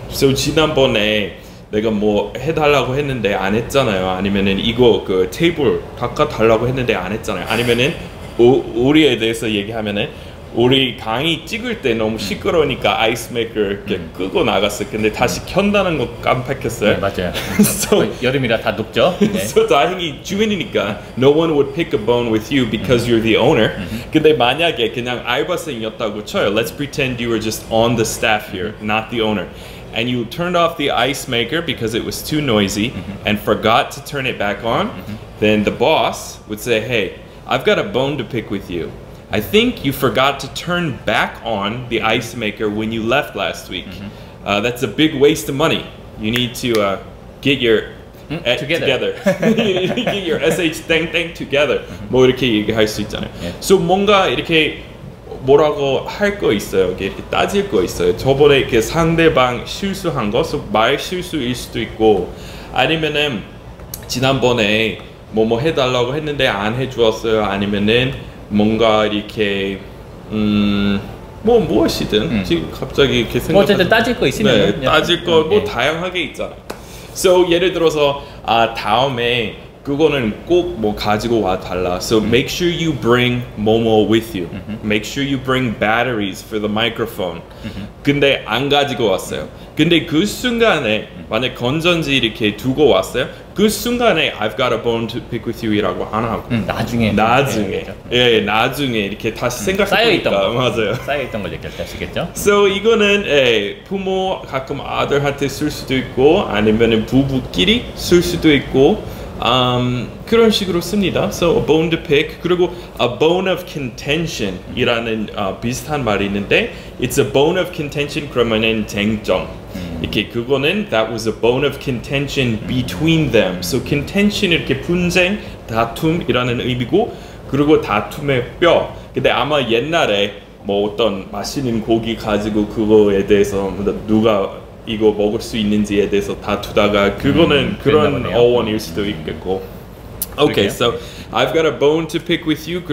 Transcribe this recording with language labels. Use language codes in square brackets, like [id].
[ko] So 지난번에 내가 뭐 해달라고 했는데 안 했잖아요. 아니면은 이거 그 테이블 닦아달라고 했는데 안 했잖아요. 아니면은 우리에 대해서 얘기하면은 우리 강의 찍을 때 너무 시끄러우니까 아이스 메이커 이렇게 끄고 나갔어. 근데 다시 켠다는 거 깜빡했어요. 네, 맞아요. So, 여름이라 다 녹죠. 네. [en] So [ko] 다행히 주인이니까 [en] no one would pick a bone with you because you're the owner. [ko] 근데 만약에 그냥 알바생이었다고 쳐요. [en] Let's pretend you were just on the staff here, not the owner. And you turned off the ice maker because it was too noisy and forgot to turn it back on, then the boss would say, hey, I've got a bone to pick with you. I think you forgot to turn back on the ice maker when you left last week. That's a big waste of money. You need to get your together. get your SH thing thing together. [ko] 뭐 이렇게 얘기할 수 있잖아요. So 뭔가 이렇게 뭐라고 할 거 있어요. 이렇게 따질 거 있어요. 저번에 이렇게 상대방 실수한 거, 말 실수일 수도 있고 아니면은 지난번에 뭐뭐 해달라고 했는데 안 해주었어요. 아니면은 뭔가 이렇게 뭐 무엇이든 지금 갑자기 이렇게 생각 뭐 어쨌든 따질 거 있으면 네, 따질 거 뭐 다양하게 있잖아요. So 예를 들어서 아 다음에 그거는 꼭 뭐 가지고 와 달라. [en] So make sure you bring Momo with you. Make sure you bring batteries for the microphone. [ko] 근데 안 가지고 왔어요. 근데 그 순간에 만약 건전지 이렇게 두고 왔어요. 그 순간에 [en] I've got a bone to pick with you [ko] 이라고 안 하고 나중에 예 나중에 이렇게 다시 생각하니까 쌓여 있던 맞아요. 쌓여 있던 걸 얘기하시겠죠? So 이거는 예, 부모 가끔 아들한테 쓸 수도 있고 아니면은 부부끼리 쓸 수도 있고. 그런 식으로 씁니다. [en] So a bone to pick, [ko] 그리고 [en] a bone of contention [ko] 이라는 비슷한 말이 있는데 [en] it's a bone of contention [ko] 그러면은 쟁점 이렇게 그거는 [en] that was a bone of contention between them. [ko] So contention 이렇게 분쟁, 다툼 이라는 의미고 그리고 다툼의 뼈. 근데 아마 옛날에 뭐 어떤 맛있는 고기 가지고 그거에 대해서 누가 이거 먹을 수 있는지에 대해서 다투다가 그거는 그런 어원일 수도 있겠고. [en] Okay, so I've got a bone to pick with you.